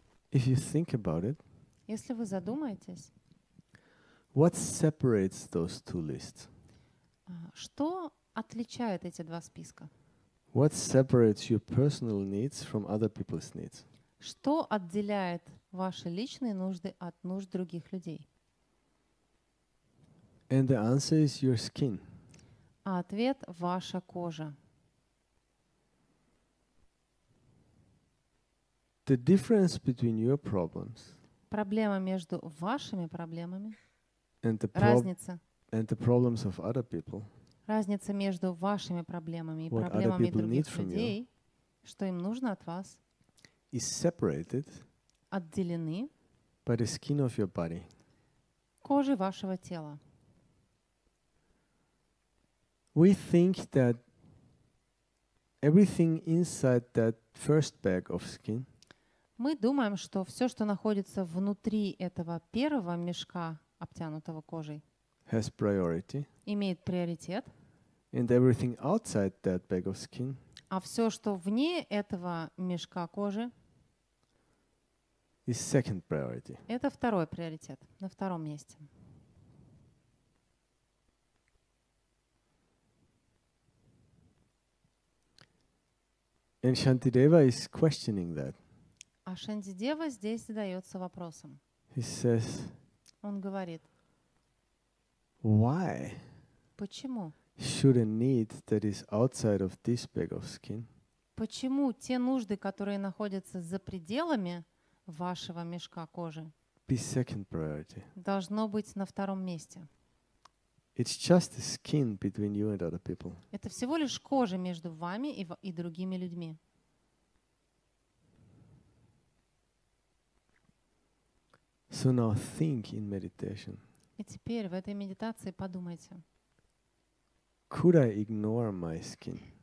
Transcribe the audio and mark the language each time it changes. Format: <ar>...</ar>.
<en>If you think about it,</en> <ru>если вы задумаетесь,</ru> <en>what separates those two lists?</en> <ru>Что отличает эти два списка?</ru> <en>What separates your personal needs from other people's needs?</en> <ru>Что отделяет ваши личные нужды от нужд других людей?</ru> <en>And the answer is your skin.</en> <ru>А ответ – ваша кожа.</ru> <en>The difference between your problems.</en> <ru>Проблема между вашими проблемами.</ru> <en>And the</en> <ru>разница.</ru> <en>And the problems of other people.</en> <ru>Разница между вашими проблемами и проблемами других людей, что им нужно от вас.</ru> <en>Is separated.</en> <ru>Отделены.</ru> <en>By the skin of your body.</en> <ru>Кожи вашего тела.</ru> <en>We think that everything inside that first bag of skin.</en> <ru>Мы думаем, что все, что находится внутри этого первого мешка, обтянутого кожей,</ru> <en>has priority.</en> <ru>Имеет приоритет.</ru> <en>And everything outside that bag of skin.</en> <ru>А все, что вне этого мешка кожи,</ru> <en>is second priority.</en> <ru>Это второй приоритет, на втором месте.</ru> <en>And Shantideva is questioning that.</en> <ru>А Шантидева здесь задается вопросом.</ru> <en>He says,</en> <ru>он говорит,</ru> <en>why?</en> <ru>Почему?</ru> <en>Should a need that is outside of this bag of skin?</en> <ru>Почему те нужды, которые находятся за пределами вашего мешка кожи,</ru> <en>be second priority?</en> <ru>Должно быть на втором месте.</ru> <en>It's just the skin between you and other people.</en> <ru>Это всего лишь кожа между вами и другими людьми.</ru> <en>So now think in meditation.</en> <ru>И теперь в этой медитации подумайте.</ru> <en>Could I ignore my skin?</en>